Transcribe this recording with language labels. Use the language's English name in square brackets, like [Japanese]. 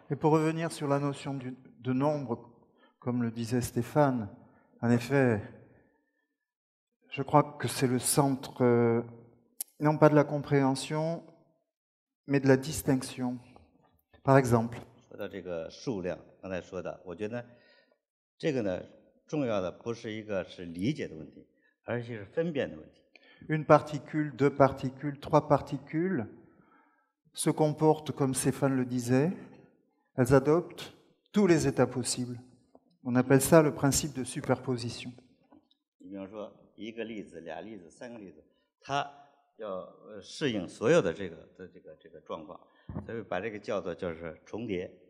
[French] Et pour revenir sur la notion de nombre, comme le disait Stéphane, en effet, je crois que c'est le centre, non pas de la compréhension, mais de la distinction. Par exemple. [Chinese] 说到这个数量，刚才说的，我觉得这个呢。重要的不是一个是理解的问题，而且是分辨的问题。 [French] Une particule, deux particules, trois particules se comportent comme Stéphane le disait. Elles adoptent tous les états possibles. On appelle ça le principe de superposition. [Chinese] 你比方说一个粒子、俩粒子、三个粒子，它要适应所有的这个状况，所以把这个叫做就是重叠。